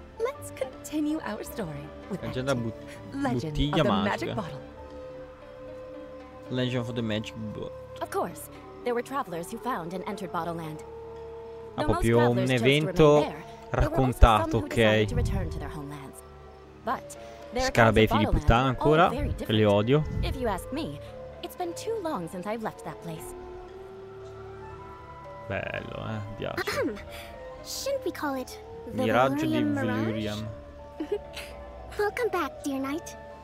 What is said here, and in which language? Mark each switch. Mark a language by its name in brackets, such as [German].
[English] Let's continue our story with the legend of the magic bottle. Legend of the magic bottle. Of course, there were travelers who found and entered Bottleland. Though most travelers chose to remain there, there were also some who decided to return to their homelands. [Italian] But Scarabei figli di puttana ancora, che li odio. [English] If you ask me, it's been too long since I've left that place. [Italian] Bello, piace. [English] Shouldn't we call it the Miraggio di Valyrian? Welcome back, dear knight.